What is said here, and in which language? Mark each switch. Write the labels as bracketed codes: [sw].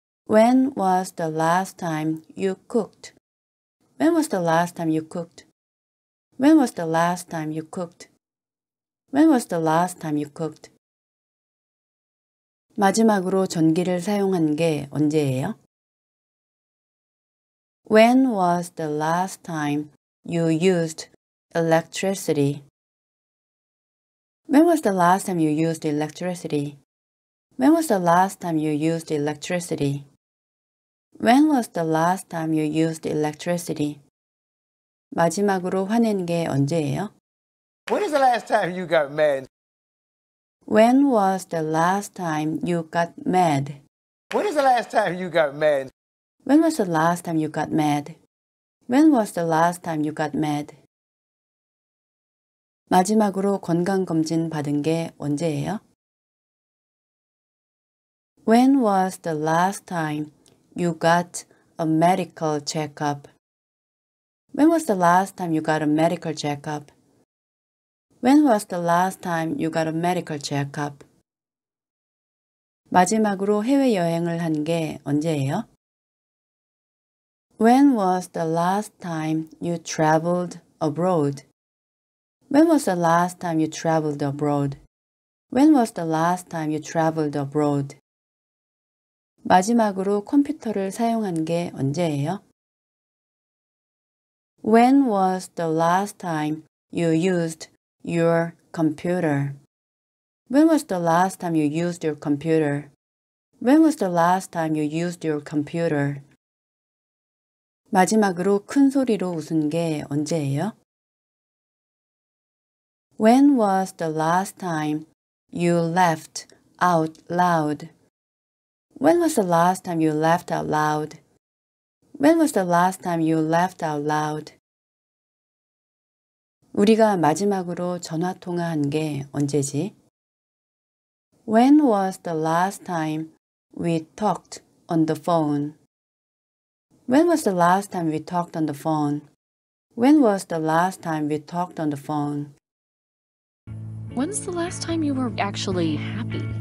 [en] When was the last time you cooked? When was the last time you cooked? When was the last time you cooked? When was the last time you cooked? [ko] 마지막으로 전기를 사용한 게 언제예요? [en] When was the last time you used electricity? When was the last time you used electricity? When was the last time you used electricity? When was the last time you used electricity? [ko] 마지막으로 화낸 게 언제예요? [en] When was the last time you got mad? When was the last time you got mad? When was the last time you got mad? When was the last time you got mad? When was the last time you got mad? [ko] 마지막으로 건강검진 받은 게 언제예요? [en] When was the last time you got a medical checkup? When was the last time you got a medical checkup? When was the last time you got a medical checkup? [ko] 마지막으로 해외여행을 한 게 언제예요? [en] When was the last time you traveled abroad? When was the last time you traveled abroad? When was the last time you traveled abroad? [ko] 마지막으로 컴퓨터를 사용한 게 언제예요? [en] When was the last time you used your computer? When was the last time you used your computer? When was the last time you used your computer? [ko] 마지막으로 큰 소리로 웃은 게 언제예요? [en] When was the last time you laughed out loud? When was the last time you laughed out loud? When was the last time you laughed out loud? [ko] 우리가 마지막으로 전화 통화한 게 언제지? [en] When was the last time we talked on the phone? When was the last time we talked on the phone? When was the last time we talked on the phone? When's the last time you were actually happy?